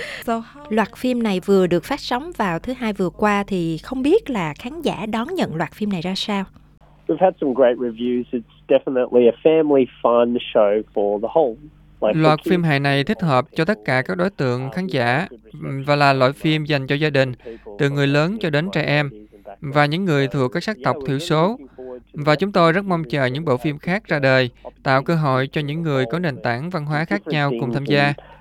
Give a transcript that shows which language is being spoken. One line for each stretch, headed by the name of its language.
Vietnamese: So loạt phim này vừa được phát sóng vào thứ hai vừa qua thì không biết là khán giả đón nhận loạt phim này ra sao.
English: We've had some great reviews. It's definitely a family fun show for the whole.
Vietnamese: Loạt phim hài này thích hợp cho tất cả các đối tượng khán giả và là loại phim dành cho gia đình, từ người lớn cho đến trẻ em và những người thuộc các sắc tộc thiểu số. Và chúng tôi rất mong chờ những bộ phim khác ra đời, tạo cơ hội cho những người có nền tảng văn hóa khác nhau cùng tham gia.